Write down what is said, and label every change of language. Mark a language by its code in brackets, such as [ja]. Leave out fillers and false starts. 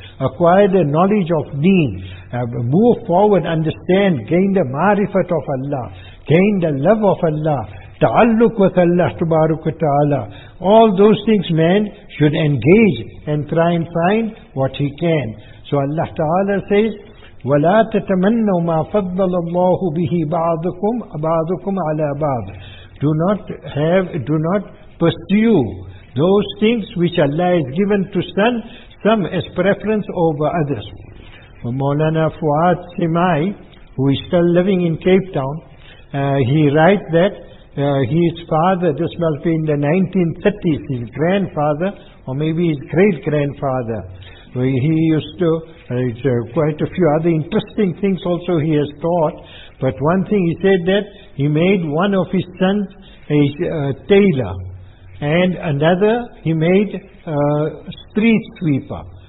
[en] Acquire the knowledge of deen. Move forward, understand, gain the marifat of Allah. Gain the love of Allah. Ta'alluq with Allah, tabaruk wa ta'ala. All those things man should engage and try and find what he can. So Allah Ta'ala says, [ar] وَلَا تَتَمَنَّوْ مَا فَضَّلَ اللَّهُ بِهِ بَعْضُكُمْ عَلَى بَعْضٍ. [en] Do not pursue those things which Allah has given to some as preference over others. Maulana Fuad Simai, who is still living in Cape Town, he writes that his father, this must be in the 1930s, his grandfather, or maybe his great-grandfather, he used to, quite a few other interesting things also he has taught, but one thing he said that he made one of his sons a tailor, and another he made a street sweeper.